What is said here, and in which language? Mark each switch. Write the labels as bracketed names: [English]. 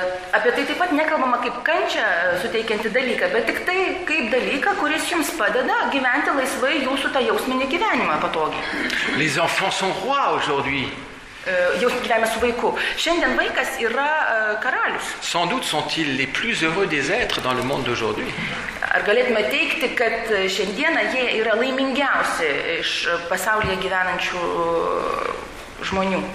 [Lithuanian] Apie tai taip pat nekalbama kaip kančią suteikianti dalyką, bet tik tai kaip dalyką, kuris jums padeda gyventi laisvai jūsų tą jausminį gyvenimą patogiai. [French] Les enfants sont rois aujourd'hui. [Lithuanian] Jūs gyvenime su vaiku. Šiandien vaikas yra karalius. [French] Sans doute sont-ils les plus heureux des êtres dans le monde d'aujourd'hui. [Lithuanian] Ar galėtume teikti, kad šiandieną jie yra laimingiausi iš pasaulyje gyvenančių žmonių?